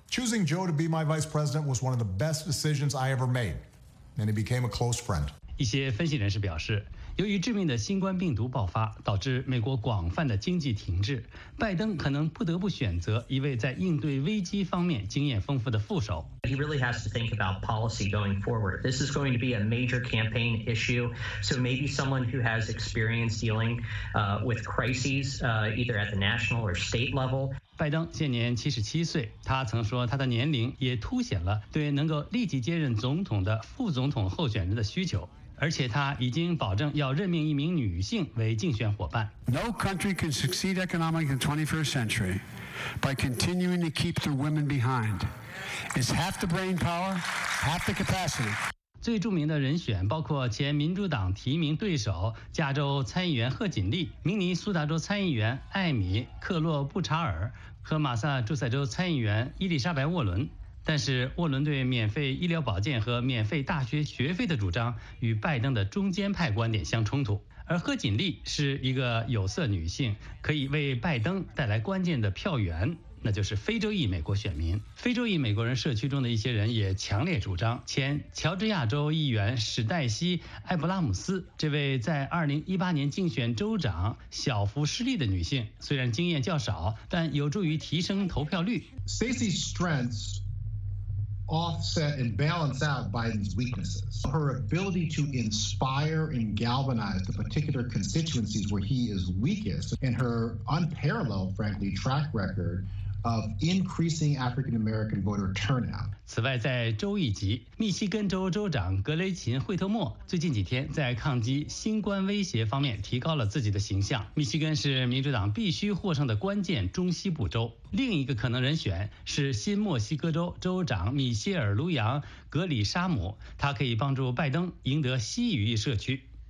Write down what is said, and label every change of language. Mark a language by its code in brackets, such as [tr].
[en] Choosing Joe to be my vice president was one of the best decisions I ever made, and he became a close friend. [zh] 一些分析人士表示，由于致命的新冠病毒爆发，导致美国广泛的经济停滞，拜登可能不得不选择一位在应对危机方面经验丰富的副手。 [en] He really has to think about policy going forward. This is going to be a major campaign issue, so maybe someone who has experience dealing with crises, either at the national or state level. [zh] 拜登现年77岁，他曾说他的年龄也凸显了对能够立即接任总统的副总统候选人的需求。而且他已经保证要任命一名女性为竞选伙伴。 [en] No country can succeed economically in the 21st century by continuing to keep the women behind. It's half the brain power, half the capacity. [zh] 最著名的人选包括前民主党提名对手加州参议员贺锦丽、明尼苏达州参议员艾米·克洛布查尔和马萨诸塞州参议员伊丽莎白·沃伦。但是沃伦对免费医疗保健和免费大学学费的主张与拜登的中间派观点相冲突，而贺锦丽是一个有色女性，可以为拜登带来关键的票源，那就是非洲裔美国选民。非洲裔美国人社区中的一些人也强烈主张前乔治亚州议员史黛西·埃布拉姆斯这位在2018年竞选州长小幅失利的女性，虽然经验较少，但有助于提升投票率。 [en] Stacey's strengths offset and balance out Biden's weaknesses. Her ability to inspire and galvanize the particular constituencies where he is weakest, and her unparalleled, frankly, track record of increasing African-American voter turnout. [zh] 此外，在州一级，密西根州州长格雷琴·惠特莫最近几天在抗击新冠威胁方面提高了自己的形象。密西根是民主党必须获胜的关键中西部州。另一个可能人选是新墨西哥州州长米歇尔·卢扬·格里沙姆，他可以帮助拜登赢得西语裔社区。